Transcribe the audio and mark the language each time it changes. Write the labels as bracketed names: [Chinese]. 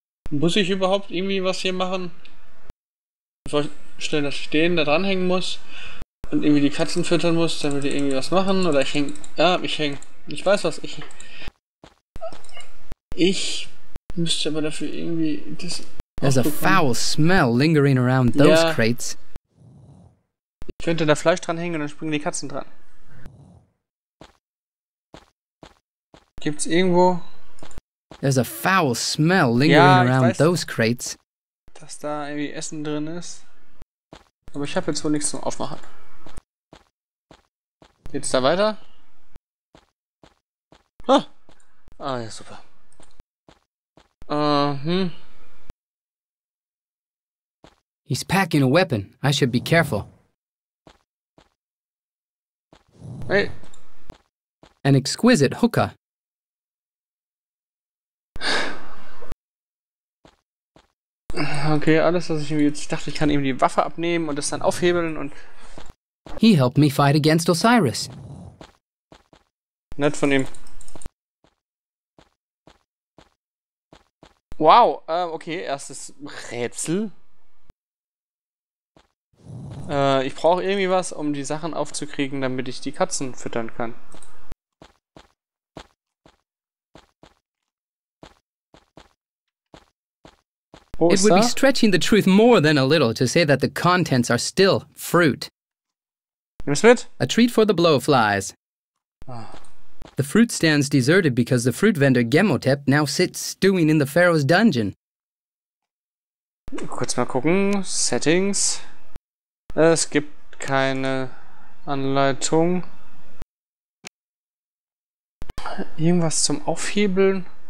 [German] Muss ich überhaupt irgendwie was hier machen? Bevor ich schnell das Stehen da dranhängen muss und irgendwie die Katzen füttern muss, damit die irgendwie was machen? Oder ich häng... Ja, ich häng... Ich weiß was, ich... Ich... Müsste aber dafür irgendwie... Das [English] There's a foul smell lingering around those ja. crates. [German] Ich könnte da Fleisch dranhängen und dann springen die Katzen dran. Gibt's irgendwo? [English] There's a foul smell lingering around those crates. [German] Dass da irgendwie Essen drin ist. Aber ich habe jetzt wohl nichts zum Aufmachen. Geht's da weiter? Ah! Ah ja, super. [English] He's packing a weapon. I should be careful. Hey. An exquisite hookah. [German] Okay, alles, was ich mir jetzt dachte, ich kann ihm die Waffe abnehmen und es dann aufhebeln und... [English] He helped me fight against Osiris. [German] Nett von ihm. Wow, okay, erstes Rätsel. Ich brauche irgendwie was, um die Sachen aufzukriegen, damit ich die Katzen füttern kann. [English] It would be stretching the truth more than a little to say that the contents are still fruit. [German] Nimm's mit? [English] A treat for the blowflies. The fruit stand's deserted because the fruit vendor Gemotep now sits stewing in the Pharaoh's dungeon. [German] Kurz mal gucken. Settings. Es gibt keine Anleitung. Irgendwas zum Aufhebeln.